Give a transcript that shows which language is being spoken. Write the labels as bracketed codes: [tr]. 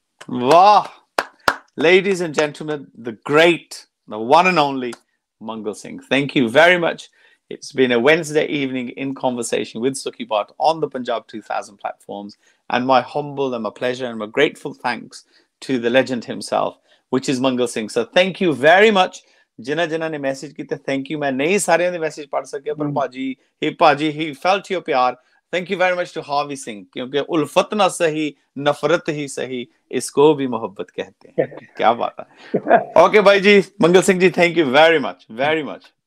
[en] ਵਾਹ, ladies and gentleman, the great, the one and only Mangal Singh, thank you very much. It's been a Wednesday evening in conversation with Sukhi Bart on the Punjab 2000 platforms, and my humble and my pleasure and my grateful thanks to the legend himself, which is Mangal Singh. So thank you very much. [pa] Jina jina ne message kita, [en] thank you. [pa] Main nahi sare ne message pad sakya, par paaji [en] he felt your [pa] pyar. [en] Thank you very much to Harvey Singh. [hi] क्योंकि उल्फत ना सही, नफरत ही सही, इसको भी मोहब्बत कहते हैं. क्या बात है. [en] Okay, [hi] भाई जी, Mangal Singh ji, [en] thank you very much. Very much.